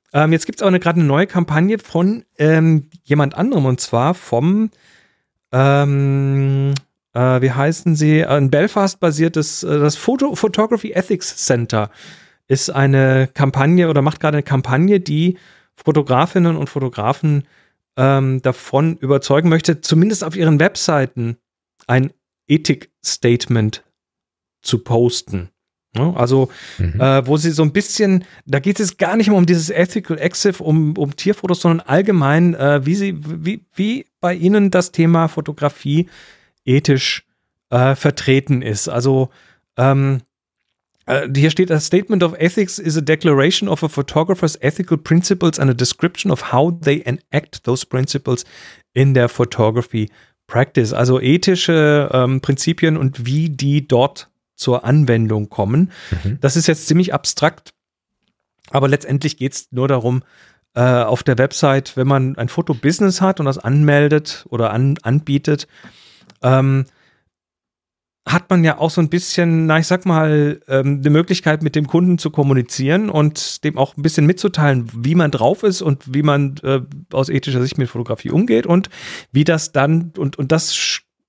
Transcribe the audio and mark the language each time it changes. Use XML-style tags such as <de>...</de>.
<de>Jetzt gibt es aber gerade eine neue Kampagne von jemand anderem, und zwar vom, wie heißen sie, ein Belfast-basiertes, das Photography Ethics Center ist eine Kampagne oder macht gerade eine Kampagne, die Fotografinnen und Fotografen davon überzeugen möchte, zumindest auf ihren Webseiten ein Ethik-Statement zu posten. Also, wo sie so ein bisschen, da geht es gar nicht mehr um dieses Ethical Exif, um Tierfotos, sondern allgemein, wie bei ihnen das Thema Fotografie ethisch vertreten ist. Also, hier steht,</de> <en>a statement of ethics is a declaration of a photographer's ethical principles and a description of how they enact those principles in their photography practice.</en> <de>Also ethische Prinzipien und wie die dort zur Anwendung kommen. Mhm. Das ist jetzt ziemlich abstrakt, aber letztendlich geht es nur darum, auf der Website, wenn man ein Fotobusiness hat und das anmeldet oder anbietet, hat man ja auch so ein bisschen, na ich sag mal, eine Möglichkeit, mit dem Kunden zu kommunizieren und dem auch ein bisschen mitzuteilen, wie man drauf ist und wie man aus ethischer Sicht mit Fotografie umgeht und wie das dann, und das</de>